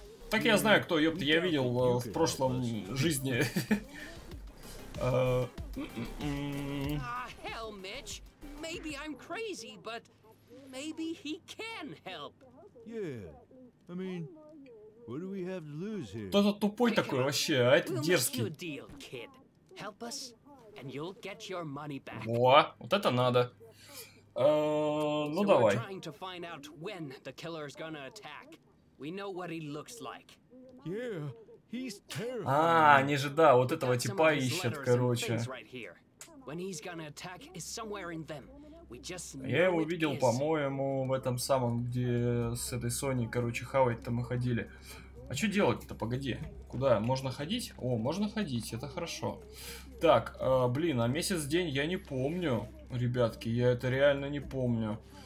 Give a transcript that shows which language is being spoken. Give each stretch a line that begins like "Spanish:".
Russian: Так я знаю, кто, ёпта, я видел в прошлом жизни.
English: Hell, Mitch. Maybe I'm crazy, but maybe he can help. Yeah. I mean, what do we have to lose here?
Russian: Кто-то тупой такой вообще, а это дерзкий.
English: We'll make you a deal, kid. Help us, and you'll get your money back.
Russian: Во, вот это надо. Ну давай.
English: We're trying to find out when the killer is gonna attack. We know what he looks like. Yeah. He's terrible.
Russian: А, они же, да, вот этого типа ищут, короче.
English: When he's gonna attack is somewhere in them. We just
Russian: я его видел, по-моему, в этом самом, где с этой Соней, короче, хавать-то мы ходили. А что делать-то? Погоди. Куда? Можно ходить? О, можно ходить, это хорошо. Так, блин, а месяц-день я не помню, ребятки, я это реально не помню.